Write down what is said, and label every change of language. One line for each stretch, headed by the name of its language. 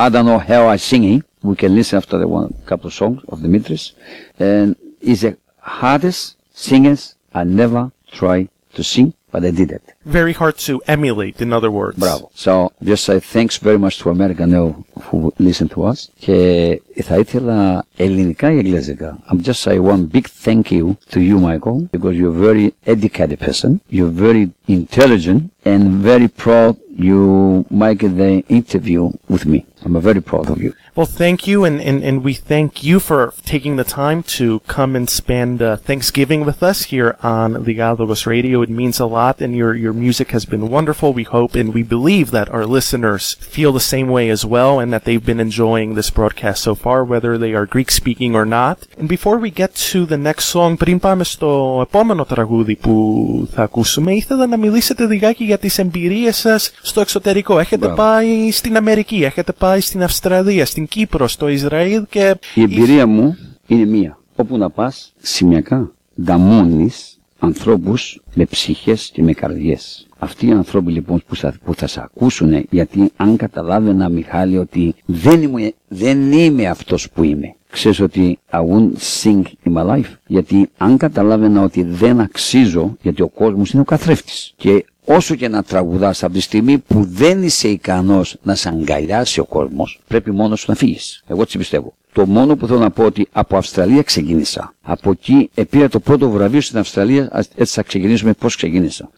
English: I don't know how I sing it. We can listen after the one couple of songs of Dimitris, and he's the hardest singers I never tried to sing, but I did it. Very hard to emulate, in other words. Bravo. So, just say thanks very much to America now who listened to us.
Greek: Και θα ήθελα ελληνικά ή αγγλικά.
English: I'm just say one big thank you to you, Michael, because you're a very educated person. You're very intelligent and very proud you make the interview with me. I'm very proud of you. Well, thank you, and we thank you for taking the time to come and spend Thanksgiving with us here on the Diálogos Radio. It means a lot, and your music has been wonderful. We hope and we believe that our listeners feel the same way as well, and that they've been enjoying this broadcast so far, whether they are Greek-speaking or not. And before we get to the next song,
Greek: πριν πάμε στο επόμενο τραγούδι που θα ακούσουμε, ήθελα να μιλήσετε λιγάκι για τις εμπειρίες σας στο εξωτερικό. Έχετε πάει στην Αμερική, έχετε πάει στην Αυστραλία, στην Κύπρο, στο Ισραήλ και... Η εμπειρία μου είναι μία. Όπου να πας, σημειακά, δαμώνεις ανθρώπους με ψυχές και με καρδιές. Αυτοί οι άνθρωποι λοιπόν που θα σε ακούσουν, γιατί αν καταλάβαινα, Μιχάλη, ότι δεν είμαι αυτός που είμαι. Ξέρεις ότι
English: I won't sing in my life.
Greek: Γιατί αν καταλάβαινα ότι δεν αξίζω, γιατί ο κόσμος είναι ο καθρέφτης. Και όσο και να τραγουδάς, από τη στιγμή που δεν είσαι ικανός να σε αγκαλιάσει ο κόσμος, πρέπει μόνος σου να φύγεις. Εγώ έτσι πιστεύω. Το μόνο που θέλω να πω ότι από Αυστραλία ξεκίνησα. Από εκεί επήρα το πρώτο βραβείο στην Αυστραλία, έτσι θα ξεκινήσουμε πώς ξεκίνησα.